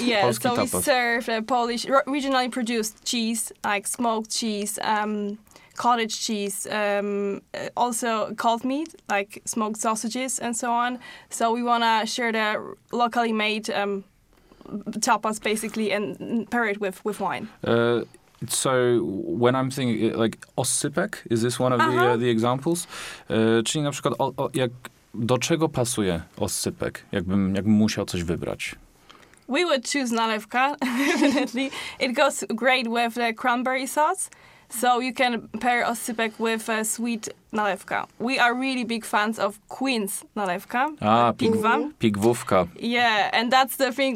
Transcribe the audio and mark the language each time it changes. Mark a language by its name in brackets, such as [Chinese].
[English] Yeah, Polski so tapas. We serve Polish, regionally produced cheese, like smoked cheese, cottage cheese, also cold meat, like smoked sausages and so on. So we want to share the locally made tapas, basically, and pair it with wine. So when I'm thinking, like, osypek, is this one of the examples? [Polish] Czyli na przykład, jak do czego pasuje osypek, jakbym musiał coś wybrać? [English] We would choose nalewka, definitely. It goes great with the cranberry sauce. So you can pair osypek with a sweet nalewka. We are really big fans of Queen's nalewka. Ah, pigwówka. Yeah, and that's the thing.